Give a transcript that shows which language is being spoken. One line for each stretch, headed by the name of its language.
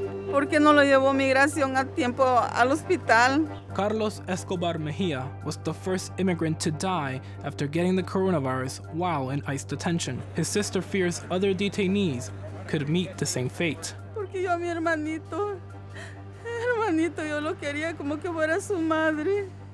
Spanish: ¿Por qué no lo llevó migración a tiempo al hospital?
English: Carlos Escobar Mejia was the first immigrant to die after getting the coronavirus while in ICE detention. His sister fears other detainees could meet the same fate.
Spanish: Porque yo a mi hermanito yo lo quería como que fuera su madre.